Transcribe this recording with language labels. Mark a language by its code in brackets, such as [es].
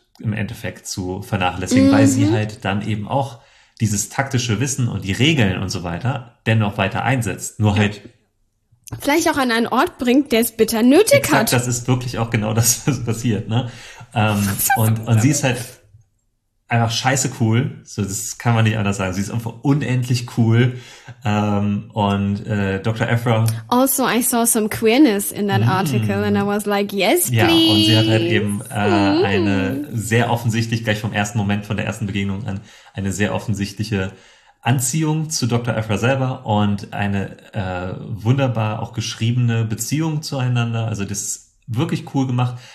[de] im Endeffekt zu vernachlässigen, mhm. weil sie halt dann eben auch dieses taktische Wissen und die Regeln und so weiter dennoch weiter einsetzt. Nur halt vielleicht auch an einen Ort bringt, der es bitter nötig hat. Das ist wirklich auch genau das, was passiert. Ne? Und sie ist halt einfach scheiße cool. So, das kann man nicht anders sagen. Sie ist einfach unendlich cool. Dr. Aphra. [en] Also, I saw some queerness in that article and I was like, yes, please. [de] Ja, und sie hat halt eben eine sehr offensichtlich, gleich vom ersten Moment, von der ersten Begegnung an, eine sehr offensichtliche Anziehung zu Dr. Aphra selber und eine wunderbar auch geschriebene Beziehung zueinander. Also, das ist wirklich cool gemacht.